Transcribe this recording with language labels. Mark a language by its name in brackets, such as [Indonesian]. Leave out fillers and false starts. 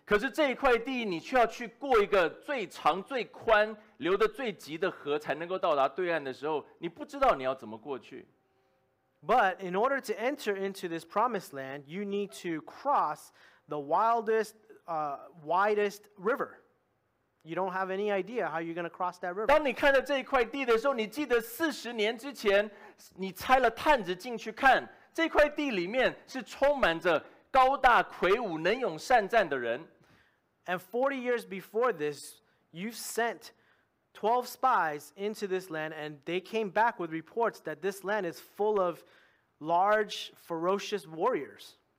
[Chinese] 可是这一块地你却要去过一个最长最宽, 流得最急的河才能够到达对岸的时候, 你不知道你要怎么过去。 [English] But in order to enter into this promised land, you need to cross the wildest, widest river. You don't have any idea how you're going to cross that river. [Chinese] 当你看到这一块地的时候, 你记得40年之前, 你拆了探子进去看, 这块地里面是充满着高大魁梧, 能勇善战的人。 [English] And 40 years before this, you've sent 12 spies into this land, and they came back with reports that this land is full of large, ferocious warriors.